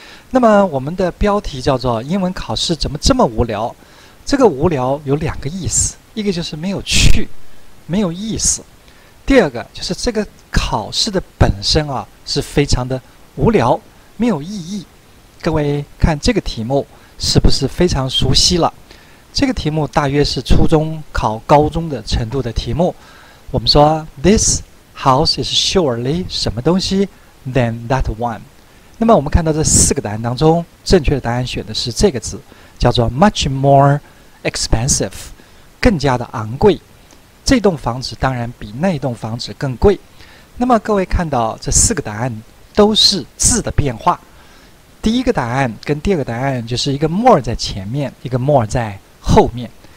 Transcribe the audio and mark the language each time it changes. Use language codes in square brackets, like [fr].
[zh] 那么我们的标题叫做英文考试怎么这么无聊，这个无聊有两个意思，一个就是没有趣没有意思，第二个就是这个考试的本身啊是非常的无聊没有意义。各位看这个题目是不是非常熟悉了？这个题目大约是初中考高中的程度的题目。我们说 [en] This house is surely [zh] 什么东西 [en] than that one。 [zh] 那么我们看到这四个答案当中正确的答案选的是这个字，叫做 [en] much more expensive， [zh] 更加的昂贵。这栋房子当然比那栋房子更贵。那么各位看到这四个答案都是字的变化，第一个答案跟第二个答案就是一个 more 在前面，一个 more 在后面。